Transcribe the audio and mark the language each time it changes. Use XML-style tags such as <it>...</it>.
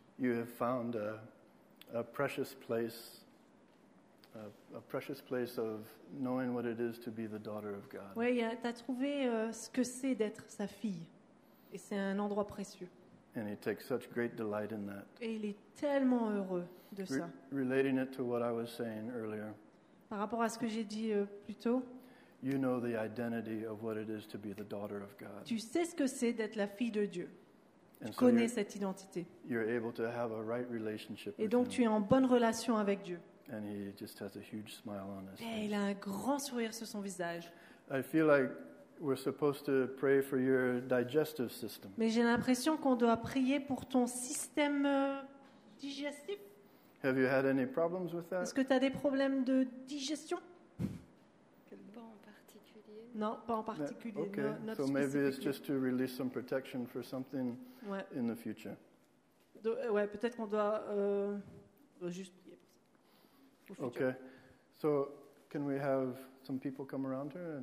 <en>You have found a precious place of knowing what it is to be the daughter of God.</en> <fr>Oui, t'as trouvé ce que c'est d'être sa fille. Et c'est un endroit précieux.</fr> <en>And he takes such great delight in that.</en> <fr>Et il est tellement heureux de ça.</fr> <en>Relating it to what I was saying earlier.</en> <fr>Par rapport à ce que j'ai dit plus tôt.</fr> <en>You know the identity of what it is to be the daughter of God.</en> <fr>Tu sais ce que c'est d'être la fille de Dieu. Tu connais cette identité.</fr> <en>You're able to have a right relationship.</en> <fr>Et donc tu es en bonne relation avec Dieu.</fr> <en>And he just has a huge smile on his face.</en> <fr>Et il a un grand sourire sur son visage.</fr> <en>I feel like we're supposed to pray for your digestive system.</en> <fr>Mais j'ai l'impression qu'on doit prier pour ton système digestif.</fr> <en>Have you had any problems with that?</en> <fr>Est-ce que tu as des problèmes de digestion? Pas en particulier. Non, pas en particulier.</fr> <en>Okay. Not so maybe it's just to release some protection for something</en> <fr>ouais.</fr> <en>In the future.</en> <fr>Ouais, peut-être qu'on doit juste prier pour ça.</fr> <en>Okay. So can we have some people come around her?</en>